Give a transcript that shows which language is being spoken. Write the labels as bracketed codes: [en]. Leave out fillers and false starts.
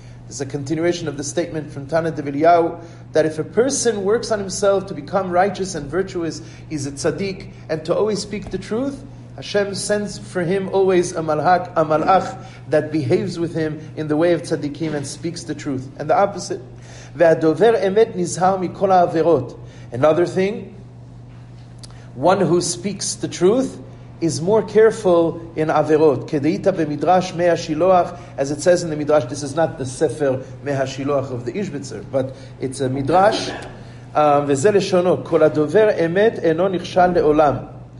[en] It's a continuation of the statement from Tana Develiyahu that if a person works on himself to become righteous and virtuous, he's a tzaddik, and to always speak the truth, Hashem sends for him always a malach that behaves with him in the way of tzaddikim and speaks the truth. And the opposite, [he] והדובר אמת נזהר מכל העבירות. [en] Another thing, one who speaks the truth is more careful in averot. [he] Kedeita b'midrash me'ah shiloach, [en] as it says in the midrash. This is not the sefer me'ah shiloach of the Ishbitzer, but it's a midrash. [he] Ve'ze leshono kol adover emet eno nichshal le'olam.